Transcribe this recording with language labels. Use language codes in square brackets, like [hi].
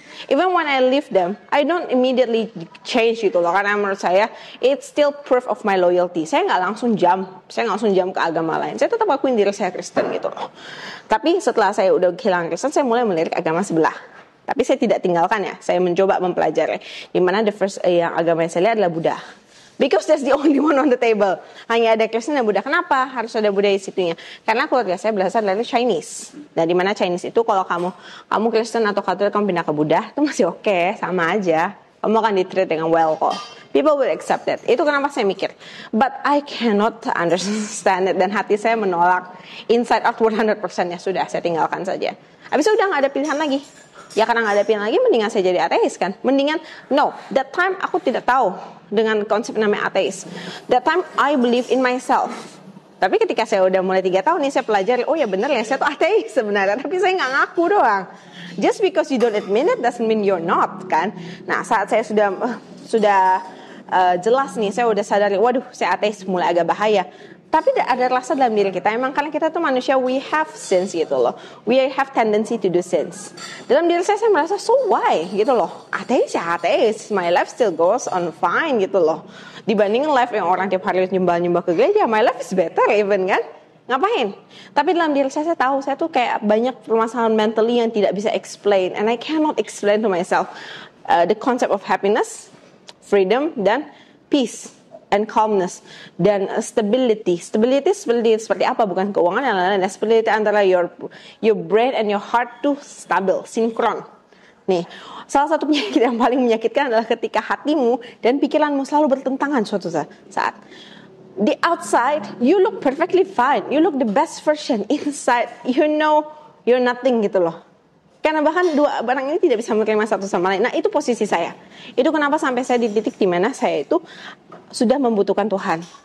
[en] Even when I leave them, I don't immediately change gitu loh. [id] Karena menurut saya, [en] it's still proof of my loyalty. [id] Saya gak langsung jump ke agama lain. Saya tetap akuin diri saya Kristen gitu loh. Tapi setelah saya udah kehilangan Kristen, saya mulai melirik agama sebelah. Tapi saya tidak tinggalkan ya, saya mencoba mempelajari. Dimana [en] the first [id] yang agama yang saya lihat adalah Buddha. [en] Because that's the only one on the table. [id] Hanya ada Kristen dan Buddha. Kenapa harus ada Buddha di situnya? Karena keluarga saya berasal dari Chinese. Dan di mana Chinese itu kalau kamu Kristen atau Katolik kamu pindah ke Buddha, itu masih okay, sama aja. Kamu akan di-treat dengan well kok. [en] People will accept it. [id] Itu kenapa saya mikir. [en] But I cannot understand it. [id] Dan hati saya menolak. Inside out 100% ya sudah, saya tinggalkan saja. Habis itu udah gak ada pilihan lagi. Ya karena gak ada pilihan lagi, mendingan saya jadi ateis kan. Mendingan, [en] no, that time [id] aku tidak tahu dengan konsep namanya ateis. [en] That time I believe in myself. [id] Tapi ketika saya udah mulai 3 tahun nih, saya pelajari, oh ya benar ya, saya tuh ateis sebenarnya. Tapi saya gak ngaku doang. [en] Just because you don't admit it, doesn't mean you're not, kan. [id] Nah, saat saya sudah jelas nih, saya udah sadari, waduh, saya ateis, mulai agak bahaya. Tapi ada rasa dalam diri kita, emang karena kita tuh manusia, [en] we have sins [id] gitu loh. [en] We have tendency to do sins. [id] Dalam diri saya merasa, [en] so why? Gitu loh. [id] Ateis ya ateis, [en] my life still goes on fine gitu loh. [id] Dibanding life yang orang tiap hari nyembah-nyembah ke gereja, [en] my life is better even [id] kan. Ngapain? Tapi dalam diri saya tahu, saya tuh kayak banyak permasalahan mentally yang tidak bisa explain. [en] And I cannot explain to myself the concept of happiness, freedom, dan peace. And calmness [id] dan stability. Stability seperti apa? Bukan keuangan dan lain-lain. [en] Stability antara your brain and your heart to stable, sinkron. [id] Nih, salah satu penyakit yang paling menyakitkan adalah ketika hatimu dan pikiranmu selalu bertentangan suatu saat. [en] The outside you look perfectly fine, you look the best version. Inside you know you're nothing gitu loh. [id] Karena bahkan dua barang ini tidak bisa menerima satu sama lain. Nah, itu posisi saya. Itu kenapa sampai saya di titik di mana saya itu sudah membutuhkan Tuhan.